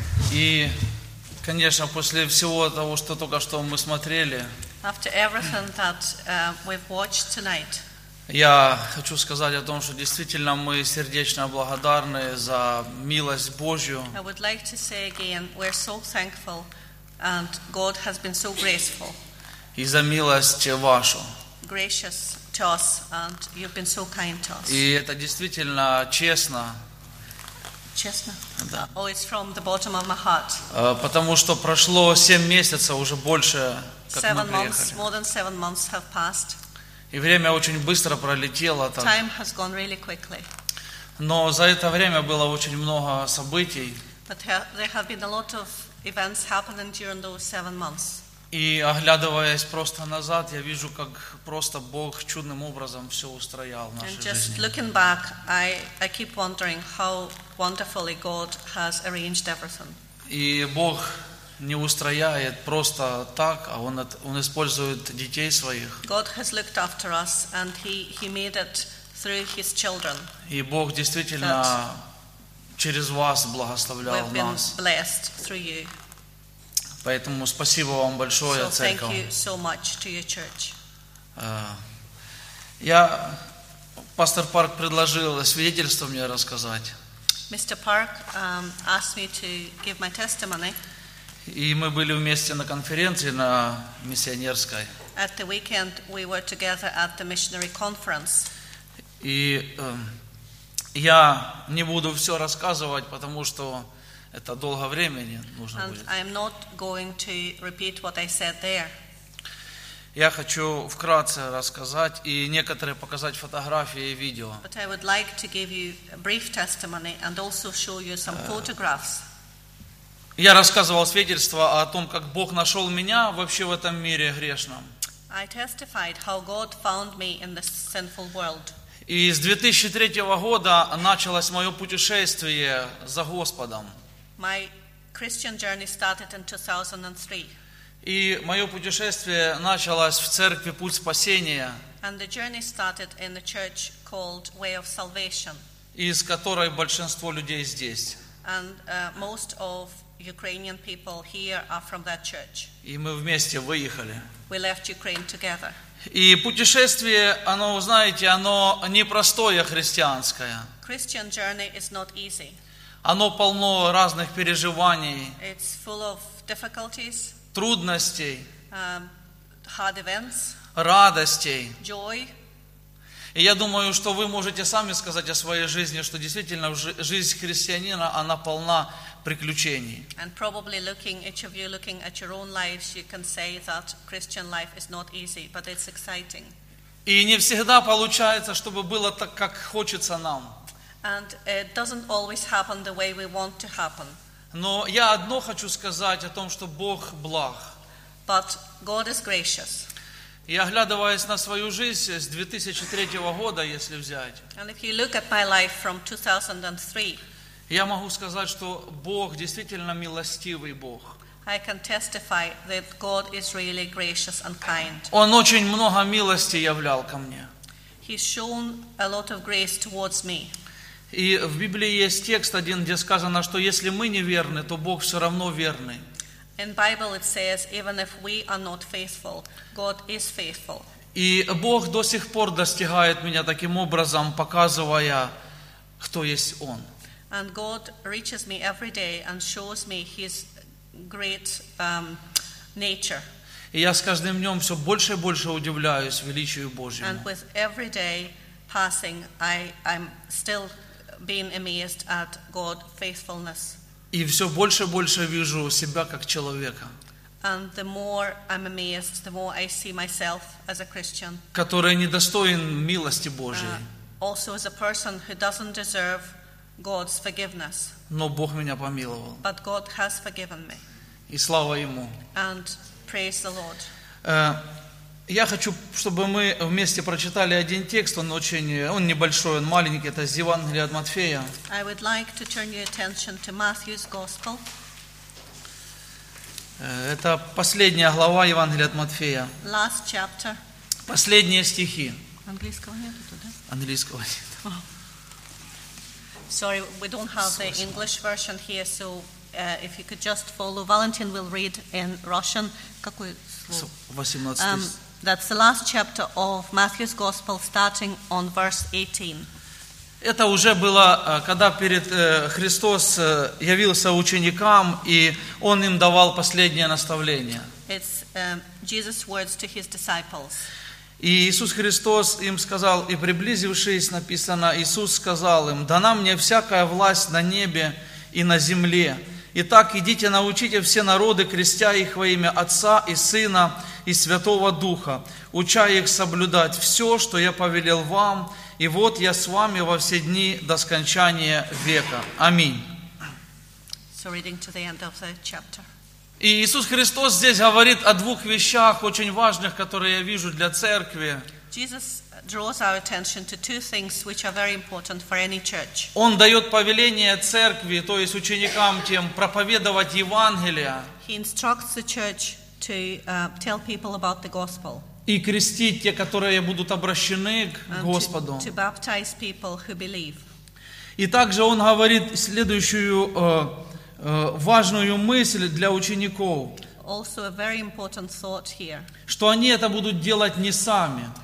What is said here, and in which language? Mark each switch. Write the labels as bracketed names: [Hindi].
[Russian] И, конечно, после всего того, что только что мы смотрели, [English] after everything that we've watched tonight, [Russian] я хочу сказать о том, что действительно мы сердечно благодарны за милость Божью. [English] I would like to say again, we're so thankful, and God has been so graceful. [Russian] И за милость вашу. [English] Gracious to us, and you've been so kind to us. [Russian] И это действительно честно. Честно? Да. [English] Oh, it's from the bottom of my heart. [Russian] Потому что прошло 7 месяцев уже больше, как [English] seven [Russian] мы приехали. [English] Months, more than 7 months have passed. [Russian] И время очень быстро пролетело так. [English] Time has gone really quickly. [Russian] Но за это время было очень много событий. [English] But there have been a lot of events happening during those 7 months. [Russian] И оглядываясь просто назад, я вижу, как просто Бог чудным образом все устроил в нашей жизни. [English] And just [Russian] жизни. [English] Looking back, I keep wondering how wonderfully God has arranged everything. [Russian] И Бог не устраивает просто так, а он использует детей своих. [English] God has looked after us, and he made it through his children. [Russian] И Бог действительно через вас благословлял [English] we've been [Russian] нас. [English] Blessed through you. [Russian] Поэтому спасибо вам большое, [English] so [Russian] церковь. [English] Thank you so much to your church. [Russian] Пастор Парк предложил свидетельство мне рассказать. [English] Mr. Park asked me to give my testimony. [Russian] И мы были вместе на конференции на миссионерской. [English] At the weekend we were together at the missionary conference. [Russian] И я не буду все рассказывать, потому что это долго времени нужно [English] and [Russian] будет. [English] And I'm not going to repeat what I said there. [Russian] Я хочу вкратце рассказать и некоторые показать фотографии и видео. [English] But I would like to give you a brief testimony and also show you some photographs. [Russian] Я рассказывал свидетельство о том, как Бог нашел меня вообще в этом мире грешном. [English] I testified how God found me in this sinful world. [Russian] И с 2003 года началось мое путешествие за Господом. [English] My Christian journey started in 2003. [Russian] И мое путешествие началось в церкви Путь спасения. [English] And the journey started in the church called Way of Salvation. [Russian] Из которой большинство людей здесь. [English] And most of Ukrainian people here are from that church. [Russian] И мы вместе выехали. [English] We left Ukraine together. [Russian] И путешествие, оно, знаете, оно непростое христианское. [English] Christian journey is not easy. [Russian] Оно полно разных переживаний. [English] It's full of difficulties. [Russian] Трудностей. [English] Hard events. [Russian] Радостей. [English] Joy. [Russian] И я думаю, что вы можете сами сказать о своей жизни, что действительно жизнь христианина, она полна приключений. [English] And probably looking, each of you looking at your own lives, you can say that Christian life is not easy, but it's exciting. [Russian] И не всегда получается, чтобы было так, как хочется нам. [English] And it doesn't always happen the way we want to happen. [Russian] Но я одно хочу сказать о том, что Бог благ. [English] But God is gracious. [Russian] И оглядываясь на свою жизнь с 2003 года, если взять, [English] and if you look at my life from 2003, [Russian] я могу сказать, что Бог действительно милостивый Бог. [English] I can testify that God is really gracious and kind. [Russian] Он очень много милости являл ко мне. [English] He's shown a lot of grace towards me. [Russian] И в Библии есть текст один, где сказано, что если мы неверны, то Бог все равно верный. [English] In Bible it says, even if we are not faithful, God is faithful. [Russian] И Бог до сих пор достигает меня таким образом, показывая, кто есть Он. [English] And God reaches me every day and shows me His great nature. [Russian] И я с каждым днем все больше и больше удивляюсь величию Божьему. [English] And with every day passing, I'm still being amazed at God's faithfulness. [Russian] И все больше и больше вижу себя как человека. [English] And the more I'm amazed, the more I see myself as a Christian. [Russian] Который недостоин милости Божией. [English] Also as a person who doesn't deserve God's forgiveness. [Russian] Но Бог меня помиловал. [English] But God has forgiven me. [Russian] И слава Ему. [English] And praise the Lord. [Russian] Я хочу, чтобы мы вместе прочитали один текст, он очень, он небольшой, он маленький, это из Евангелия от Матфея. [English] I would like to turn your attention to Matthew's Gospel. [Russian] Это последняя глава Евангелия от Матфея. [English] Last chapter. [Russian] Последние стихи. Английского нету туда? Английского нету. [English] Sorry, we don't have the English version here, so if you could just follow. Valentin will read in Russian. [Russian] Какое слово? 18. [English] That's the last chapter of Matthew's Gospel, starting on verse 18. [Russian] Это уже было, когда перед Христос явился ученикам, и Он им давал последнее наставление. [English] It's Jesus' words to His disciples. [Russian] И Иисус Христос им сказал, и приблизившись, написано, Иисус сказал им, «Дана мне всякая власть на небе и на земле. Итак, идите, научите все народы, крестя их во имя Отца и Сына и Святого Духа, уча их соблюдать все, что Я повелел вам, и вот Я с вами во все дни до скончания века». Аминь. [English] So reading to the end of the chapter. [Russian] И Иисус Христос здесь говорит о двух вещах, очень важных, которые я вижу для церкви. [English] Jesus draws our attention to two things which are very important for any church. [Russian] Он дает повеление церкви, то есть ученикам тем, проповедовать Евангелие. [English] He instructs the church to tell people about the gospel. [Russian] И крестить те, которые будут обращены к Господу. [English] To baptize people who believe. [Russian] И также Он говорит следующую важную мысль для учеников, [English] also a very important thought here, [Russian] что они это будут делать не сами,